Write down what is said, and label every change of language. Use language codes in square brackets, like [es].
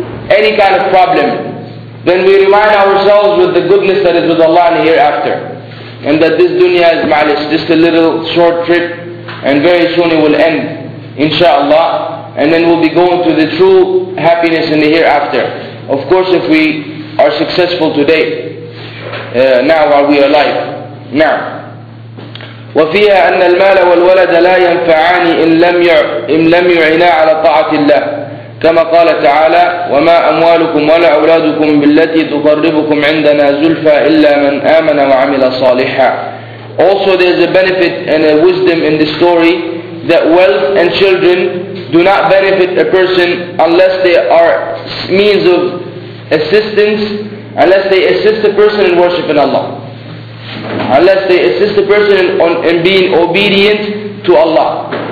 [en] any kind of problem, then we remind ourselves with the goodness that is with Allah in the hereafter, and that this dunya is ma'lish, just a little short trip, and very soon it will end, inshallah, and then we'll be going to the true happiness in the hereafter. Of course, if we are successful today, now while we are alive. Now. [ar] وفيها أن المال والولد لا ينفعان إن لم يعنا على طاعة الله كما قال تعالى وما أموالكم ولا أولادكم بالتي تقربكم عندنا زلفى إلا من آمن وعمل صالحا. [en] Also there is a benefit and a wisdom in the story that wealth and children do not benefit a person unless they are means of assistance, unless they assist a person in worshiping Allah. Unless they assist a person in being obedient to Allah.